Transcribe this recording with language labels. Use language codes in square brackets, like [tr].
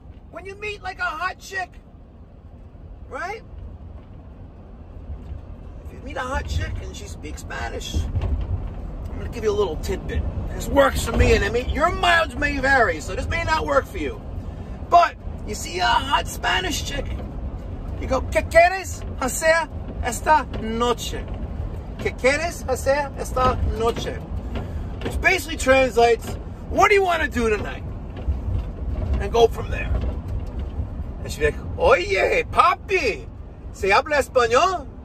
[en] When you meet like a hot chick, right? If you meet a hot chick and she speaks Spanish, I'm gonna give you a little tidbit. This works for me, and I mean, your mileage may vary, so this may not work for you. But you see a hot Spanish chick, you go, [es] ¿Qué quieres hacer esta noche? ¿Qué quieres hacer esta noche? [en] Which basically translates, what do you want to do tonight? And go from there. And she's like, [es] oye, papi, ¿se habla español?